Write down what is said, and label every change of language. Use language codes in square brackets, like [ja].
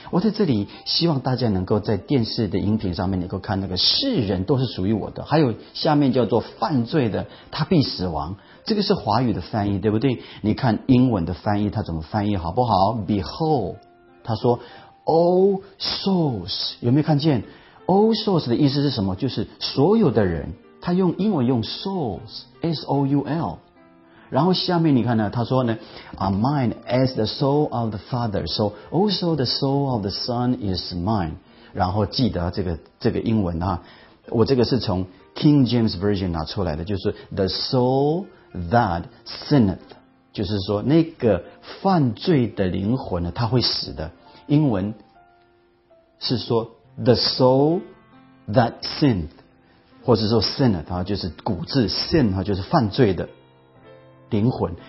[zh] 我在这里希望大家能够在电视的荧屏上面能够看那个世人都是属于我的，还有下面叫做犯罪的他必死亡，这个是华语的翻译，对不对？你看英文的翻译，它怎么翻译好不好？ Behold， 他说 All souls， 有没有看见 All souls 的意思是什么？就是所有的人。他用英文用 souls， S-O-U-L， 然后下面你看呢，他说呢 [en] are mine as the soul of the father， so also the soul of the son is mine。 [zh] 然后记得这个英文啊，我这个是从 King James Version 拿出来的，就是 [en] the soul that sinneth， [zh] 就是说那个犯罪的灵魂呢，他会死的。英文是说 [en] the soul that sinneth， [zh] 或者说 sinneth 就是骨质， sin 就是犯罪的灵魂。